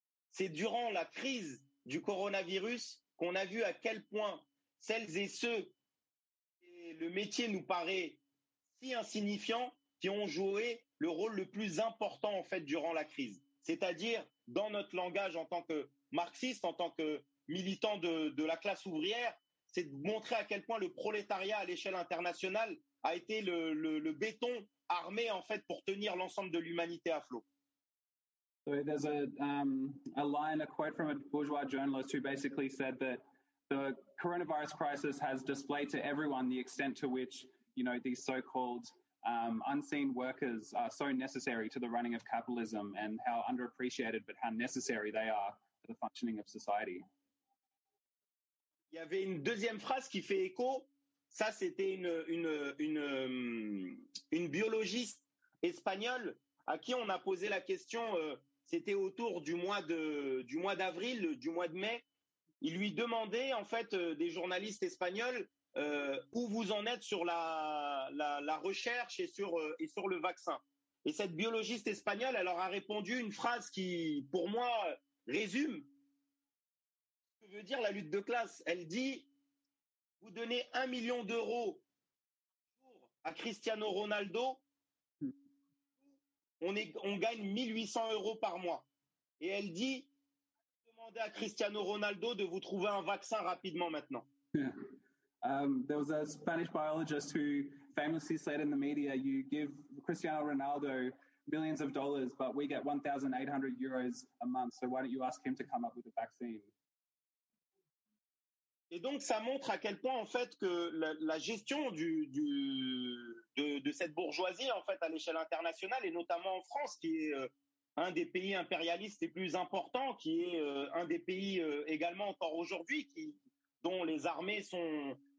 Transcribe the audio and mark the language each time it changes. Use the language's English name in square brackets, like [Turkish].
[French] c'est durant la crise du coronavirus qu'on a vu à quel point celles et ceux le métier nous paraît si insignifiant, qui ont joué le rôle le plus important en fait durant la crise. C'est-à-dire, dans notre langage en tant que marxiste, en tant que militant de la classe ouvrière, c'est de montrer à quel point le prolétariat à l'échelle internationale a été le béton armé en fait pour tenir l'ensemble de l'humanité à flot. [English] So there's a line, a quote from a bourgeois journalist who basically said that the coronavirus crisis has displayed to everyone the extent to which, you know, these so-called unseen workers are so necessary to the running of capitalism and how underappreciated but how necessary they are for the functioning of society. [French] Il y avait une deuxième phrase qui fait écho. Ça, c'était une biologiste espagnole à qui on a posé la question. C'était autour du mois de mai. Il lui demandait, en fait, des journalistes espagnols, où vous en êtes sur la recherche et sur le vaccin. Et cette biologiste espagnole, elle leur a répondu une phrase qui, pour moi, résume ce que veut dire la lutte de classe. Elle dit, vous donnez 1 million d'euros à Cristiano Ronaldo, on gagne 1 800 euros par mois. Et elle dit, à Cristiano Ronaldo de vous trouver un vaccin rapidement maintenant. [English] Yeah. There was a Spanish biologist who famously said in the media, you give Cristiano Ronaldo millions of dollars, but we get 1,800 euros a month, so why don't you ask him to come up with a vaccine? [French] Et donc, ça montre à quel point, en fait, que la gestion de cette bourgeoisie, en fait, à l'échelle internationale, et notamment en France, qui est un des pays impérialistes les plus importants, qui est un des pays également encore aujourd'hui, dont les armées sont